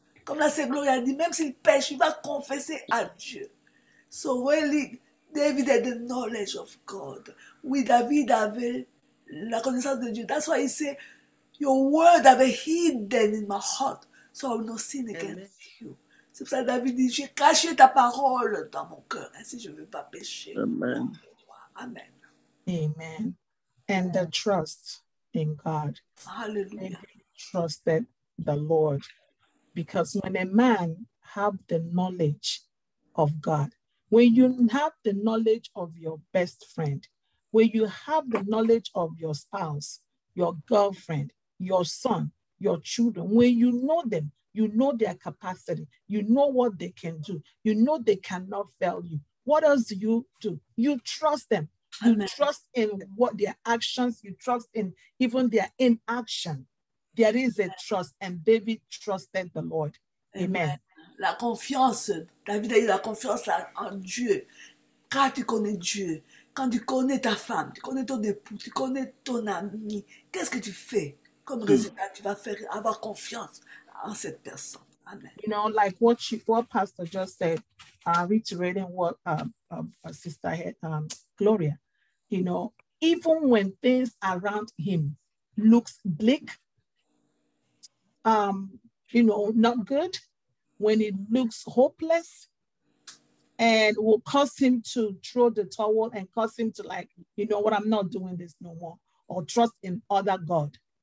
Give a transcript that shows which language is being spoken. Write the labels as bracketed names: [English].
[French] Comme la sœur Gloria dit, même s'il pêche, il va confesser à Dieu. [English] So really, David had the knowledge of God. [French] Oui, David avait la connaissance de Dieu. [English] That's why he said, your word have been hidden in my heart, so I will not sin against you. [French] C'est pour ça que David dit, j'ai caché ta parole dans mon cœur, ainsi je ne veux pas pécher. Amen. Amen. [English] Amen. And the trust in God. Hallelujah. Trusted the Lord. Because when a man have the knowledge of God, when you have the knowledge of your best friend, when you have the knowledge of your spouse, your girlfriend, your son, your children, when you know them, you know their capacity, you know what they can do, you know they cannot fail you. What else do you do? You trust them. You Amen. Trust in what their actions, you trust in even their inaction. There is a trust, and David trusted the Lord. Amen. Amen. [French] La confiance, David a eu la confiance en Dieu. Quand tu connais Dieu, quand tu connais ta femme, tu connais ton époux, tu connais ton ami, qu'est-ce que tu fais? Comme résultat, tu vas faire avoir confiance en cette personne. Amen. [English] You know, like what Pastor just said, reiterating what Sister had, Gloria, you know, even when things around him looks bleak, you know, not good, when it looks hopeless and will cause him to throw the towel and cause him to like, you know what, I'm not doing this no more, or trust in other God.